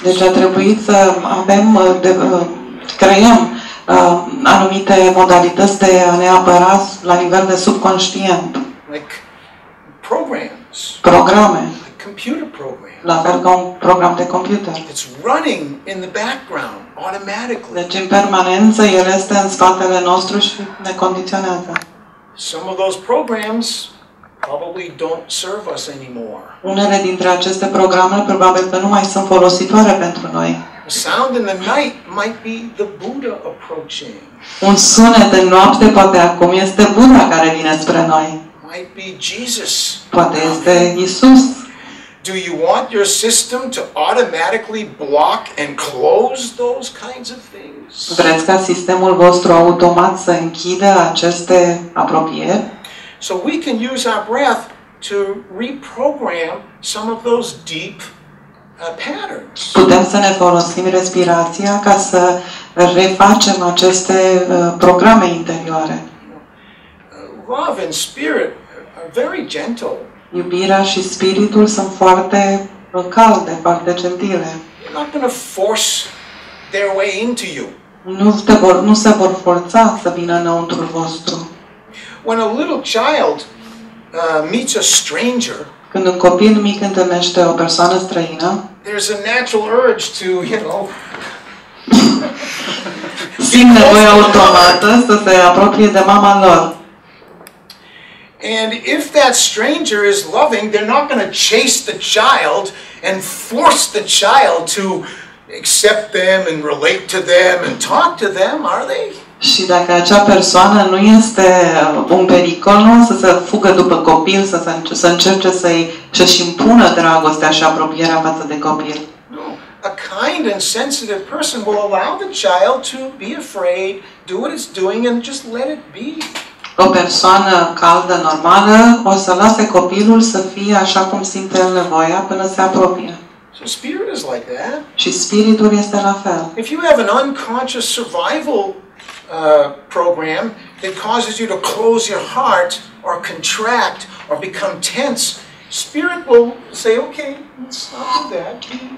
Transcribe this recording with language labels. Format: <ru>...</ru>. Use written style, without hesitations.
<ro>Deci a trebuit să avem creăm anumite modalități de a ne apăra la nivel de subconștient.</ro> <en>Like programs.</en> <ro>Programe.</ro> <en>Like computer programs.</en> <ro>La fel ca un program de computer.</ro> <en>It's running in the background automatically.</en> <ro>Deci în permanență el este în spatele nostru și ne condiționează.</ro> <en>Some of those programs probably don't serve us anymore.</en> <ro>Unele dintre aceste programe probabil că nu mai sunt folositoare pentru noi.</ro> <en>A sound in the night might be the Buddha approaching.</en> <ro>Un sunet în noapte poate acum este Buddha care vine spre noi.</ro> <en>Might be Jesus.</en> <ro>Poate este Iisus.</ro> <en>Do you want your system to automatically block and close those kinds of things?</en> <ro>Vreți ca sistemul vostru automat să închidă aceste apropieri?</ro> <en>So we can use our breath to reprogram some of those deep patterns.</en> <ro>Putem să ne folosim respirația ca să refacem aceste programe interioare.</ro> <en>Love and spirit are very gentle.</en> <ro>Iubirea și spiritul sunt foarte calde, foarte gentile.</ro> <en>They're not going to force their way into you.</en> <ro>Nu se vor forța să vină înăuntru vostru.</ro> <en>When a little child meets a stranger,</en> <ro>când un copil mic întâlnește o persoană străină,</ro> <en>there's a natural urge to, you know,</en> <ro>simt nevoia automată să se apropie de mama lor.</ro> <en>And if that stranger is loving, they're not going to chase the child and force the child to accept them and relate to them and talk to them, are they?</en> <ro>Și dacă acea persoană nu este un pericol, nu o să se fugă după copil, să încerce să-și impună dragostea și apropierea față de copil.</ro> <en>A kind and sensitive person will allow the child to be afraid, do what it's doing and just let it be.</en> <ro>O persoană caldă, normală, o să lase copilul să fie așa cum simte el nevoia până se apropie.</ro> <en>So spirit is like that.</en> <ro>Și spiritul este la fel.</ro> <en>If you have an unconscious survival program that causes you to close your heart or contract or become tense, Spirit will say, okay, let's stop with that.</en>